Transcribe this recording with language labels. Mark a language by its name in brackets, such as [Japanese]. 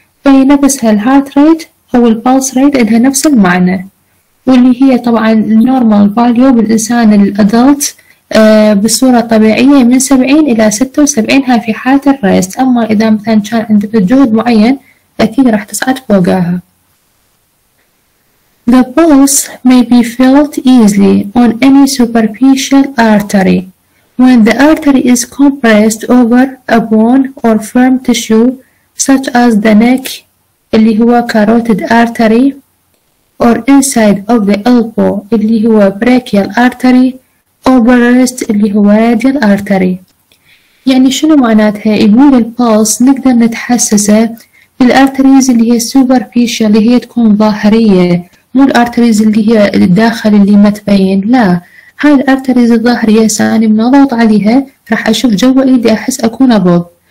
[Arabic] فهي نفسها الهارت ريت او البلس ريت لها نفس المعنى، واللي هي طبعا النورمال فاليو بالإنسان الأدلت بصورة طبيعية من 70 إلى 76 هاي في حالة الريست. أما إذا مثلا كان عندك جهد معين أكيد راح تصعد فوقها. [English] The pulse may be felt easily on any superficial artery when the artery is compressed over a bone or firm tissue such as the neck [Arabic] اللي هو [English] carotid artery or inside of the elbow اللي هو brachial artery or breast اللي هو radial artery. [Arabic] يعني شنو معناتها؟ يقول البلس نقدر نتحسسه بالارتريز اللي هي superficial اللي هي تكون ظاهرية، مو الارتريز اللي هي الداخل اللي ما تبين. لا، هاي الارتريز الظاهرية ساني من ضغط عليها راح اشوف جوا ايدي احس اكون ابض.